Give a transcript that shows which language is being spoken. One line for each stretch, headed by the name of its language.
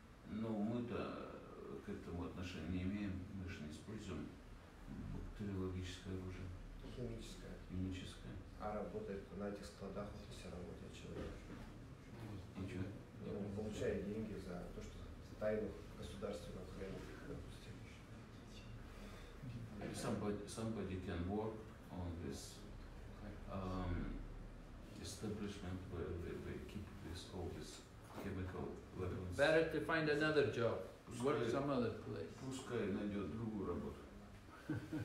Russian: Ну, мы-то к этому отношения не имеем, мы же не используем бактериологическое оружие. Химическое. Химическое. А работает на этих складах, вот если работает человек. И что? Он получает деньги за то, что тайну государственного хрена, допустим.
English: Somebody can work on this establishment where they keep this, all this chemical weapons. Better to find another job. Work some other place.
Russian: Пускай найдет другую работу.